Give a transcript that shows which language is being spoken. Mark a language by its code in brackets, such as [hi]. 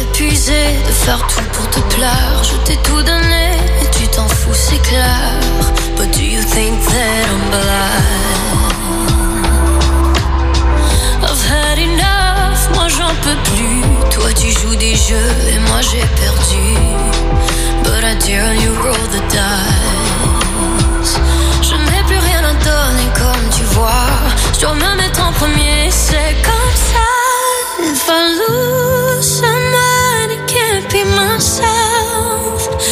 [fr] Épuisé de faire tout pour te plaire, je t'ai tout donné. [en] C'est clair, but do you think that I'm blind? [fr] I've had enough, moi j'en peux plus. Toi tu joues des jeux et moi j'ai perdu. But I dare you roll the dice. Je n'ai plus rien à donner comme tu vois. Je dois me mettre en premier, c'est comme ça. [en] If I lose someone, it can't be myself.